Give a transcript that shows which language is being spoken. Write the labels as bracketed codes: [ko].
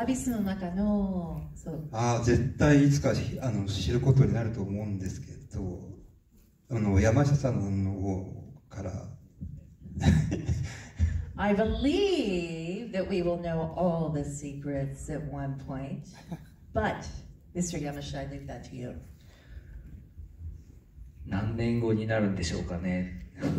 [ja] アビスの中の、そう。ああ、絶対いつか知ることになると思うんですけど、山下さんの方から。I [en] believe that we will know all the secrets at one point, but Mr. Yamashita, I leave that to you. [ja] 何年後になるんでしょうかね?